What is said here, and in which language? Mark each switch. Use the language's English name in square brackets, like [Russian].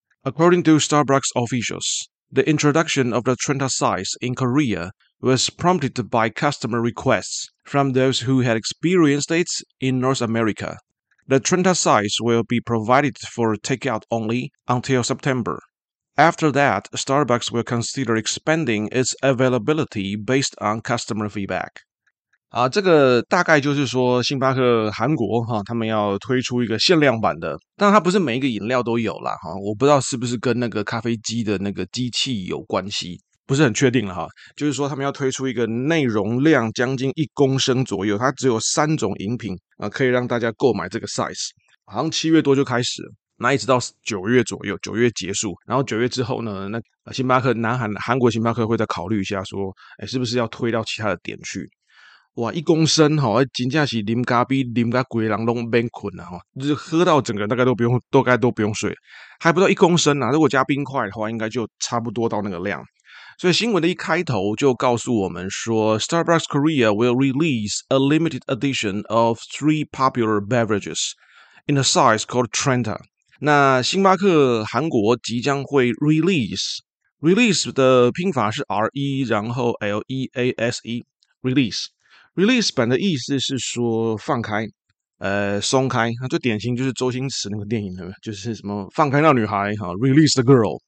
[English] According to Starbucks officials, the introduction of the Trenta size in Korea was prompted by customer requests from those who had experienced it in North America. The Trenta size will be provided for takeout only until September. After that, Starbucks will consider expanding its availability based on customer feedback. [Chinese] 啊，这个大概就是说，星巴克韩国哈，他们要推出一个限量版的，但它不是每一个饮料都有啦哈，我不知道是不是跟那个咖啡机的那个机器有关系，不是很确定了哈。就是说，他们要推出一个内容量将近一公升左右，它只有三种饮品啊，可以让大家购买这个 size， 好像七月多就开始了。那一直到九月左右，九月结束，然后九月之后呢，那星巴克韩国星巴克会再考虑一下说，哎，是不是要推到其他的点去。哇，一公升齁，真正是啉咖啡啉到整个人都不用睡了齁，就是喝到整个大概都不用，大概都不用睡了，还不到一公升啊，如果加冰块的话应该就差不多到那个量。所以新闻的一开头就告诉我们说， [English] Starbucks Korea will release a limited edition of three popular beverages in a size called Trenta. [Chinese] 那星巴克韩国即将会 release 的拼法是 R-E 然后 L-E-A-S-E release 版的意思是说放开，松开，那最典型就是周星驰那个电影，就是什么放开那女孩哈 ， [English] release the girl。